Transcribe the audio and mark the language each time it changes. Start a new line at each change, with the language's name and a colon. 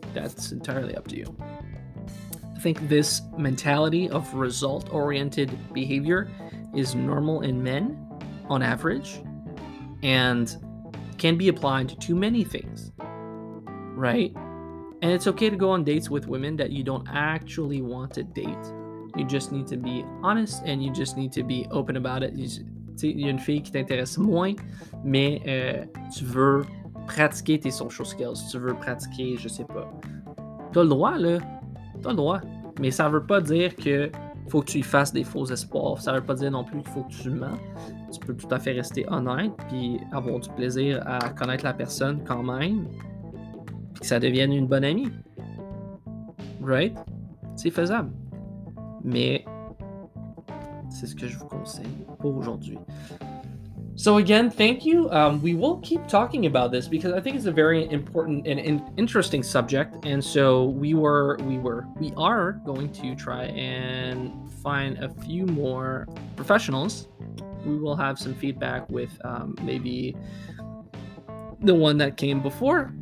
English: That's entirely up to you. I think this mentality of result-oriented behavior is normal in men, on average, and can be applied to many things, right? And it's okay to go on dates with women that you don't actually want to date. You just need to be honest and you just need to be open about it.
French: Il y a une fille qui t'intéresse moins, mais tu veux pratiquer tes social skills, tu veux pratiquer, je sais pas. T'as le droit, là. T'as le droit. Mais ça veut pas dire que faut que tu y fasses des faux espoirs. Ça veut pas dire non plus qu'il faut que tu mens. Tu peux tout à fait rester honnête puis avoir du plaisir à connaître la personne quand même. Puis que ça devienne une bonne amie. Right? C'est faisable. Mais c'est ce que je vous conseille pour aujourd'hui.
English: So again, thank you. We will keep talking about this because I think it's a very important and interesting subject. And so we are going to try and find a few more professionals. We will have some feedback with maybe the one that came before.